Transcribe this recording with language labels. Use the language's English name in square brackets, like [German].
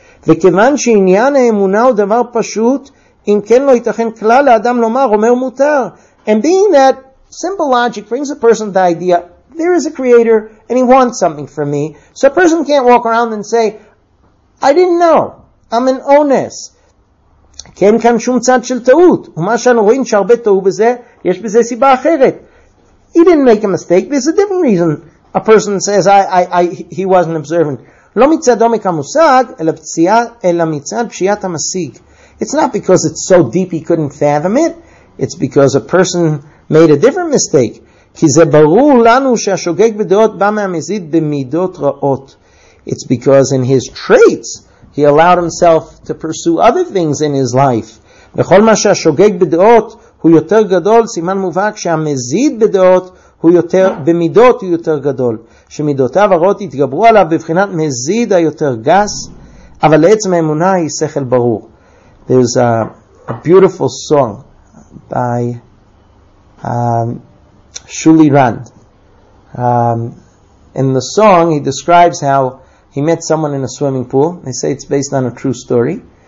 [English] And being that, simple logic brings a person to the idea, there is a creator and he wants something from me. So a person can't walk around and say, I didn't know. I'm an ones. [Hebrew] כן כאן שום צד של טעות. ומה שאנו רואים שהרבה טעו בזה, יש בזה סיבה אחרת. [English] He didn't make a mistake. There's a different reason. A person says, he wasn't observing. [Hebrew] לא מצד עומק המושג, אלא מצד פשיעת המשיג. [English] It's not because it's so deep he couldn't fathom it. It's because a person made a different mistake. [Hebrew] כי זה ברור לנו שהשוגג בדעות בא מהמזיד במידות רעות. [English] It's because in his traits, he allowed himself to pursue other things in his life. [Hebrew] בכל מה שהשוגג בדעות הוא יותר גדול, סימן מובהק שהמזיד בדעות הוא יותר, במידות הוא יותר גדול. שמידותיו הרעות התגברו עליו בבחינת מזיד היותר גס, אבל לעצם האמונה היא שכל ברור. [English] There's a beautiful song by Shuli Rand. In the song he describes how he met someone in a swimming pool. They say it's based on a true story.